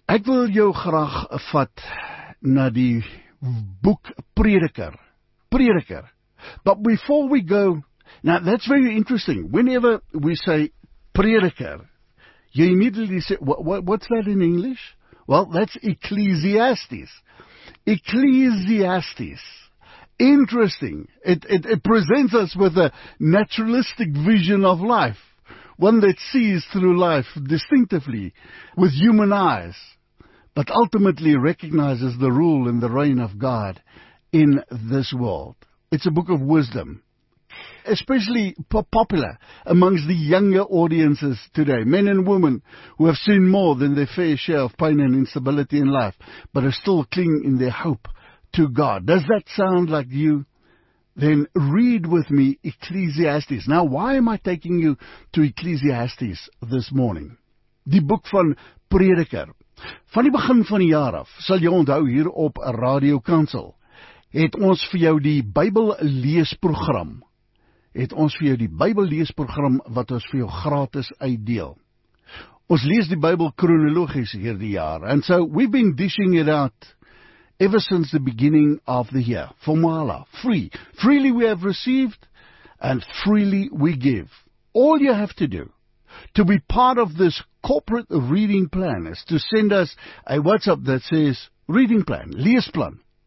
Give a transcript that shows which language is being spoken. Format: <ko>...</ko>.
<af>Ek wil jou graag vat na die boek Prediker. Prediker.</af> <en>But before we go, now that's very interesting. Whenever we say Prediker, you immediately say, what's that in English? Well, that's Ecclesiastes. Ecclesiastes. Interesting. It presents us with a naturalistic vision of life, one that sees through life distinctively with human eyes, but ultimately recognizes the rule and the reign of God in this world. It's a book of wisdom, especially popular amongst the younger audiences today, men and women who have seen more than their fair share of pain and instability in life, but are still clinging in their hope to God. Does that sound like you? Then read with me Ecclesiastes. Now, why am I taking you to Ecclesiastes this morning?</en> <af>Die boek van Prediker. Van die begin van die jaar af, sal jy onthou hier op Radio Kansel, het ons vir jou die Bybel leesprogram. Het ons vir jou die Bybel leesprogram wat ons vir jou gratis uitdeel. Ons lees die Bybel chronologies hierdie jaar.</af> <en>And so we've been dishing it out ever since the beginning of the year. Formala, free. Freely we have received and freely we give. All you have to do to be part of this corporate reading plan is to send us a WhatsApp that says reading plan,</en> <af>leesplan.</af>